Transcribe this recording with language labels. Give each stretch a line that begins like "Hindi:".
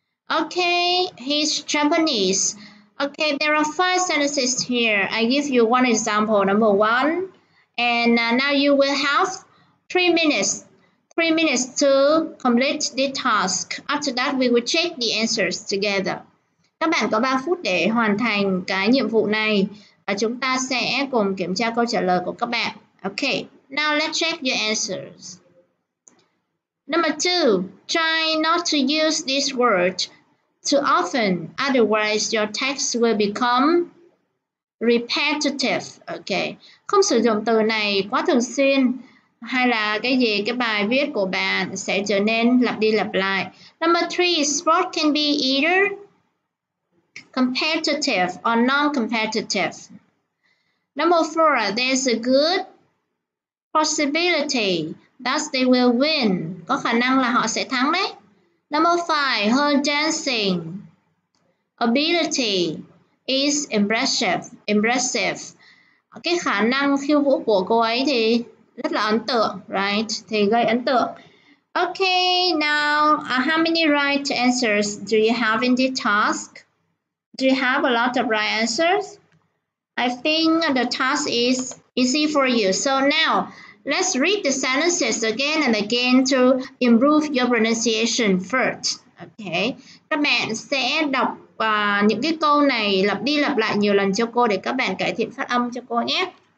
English: Okay, he's Japanese. Okay, there are 5 sentences here. I give you one example, number one. And now you will have 3 minutes. 3 minutes to complete the task. After that, we will check the answers together.
Vietnamese: Các bạn có 3 phút để hoàn thành cái nhiệm vụ này và chúng ta sẽ cùng kiểm tra câu trả lời của các bạn.
English: Okay, now let's check your answers. Number two, try not to use this word too often. Otherwise, your text will become repetitive.
Vietnamese: Okay, không sử dụng từ này quá thường xuyên. Hay là cái gì, cái bài viết của bạn sẽ trở nên lặp đi lặp lại.
English: Number three, sport can be either competitive or non-competitive. Number four, there's a good possibility that they will win.
Vietnamese: Có khả năng là họ sẽ thắng đấy.
English: Number five, her dancing ability is impressive.
Vietnamese: Cái khả năng khiêu vũ của cô ấy thì rất là ấn tượng,
English: right?
Vietnamese: Thì gây ấn tượng.
English: Okay, now, how many right answers do you have in the task? Do you have a lot of right answers? I think the task is easy for you. So now, let's read the sentences again and again to improve your pronunciation first.
Vietnamese: Okay, các bạn sẽ đọc những cái câu này lặp đi lặp lại nhiều lần cho cô để các bạn cải thiện phát âm cho cô nhé.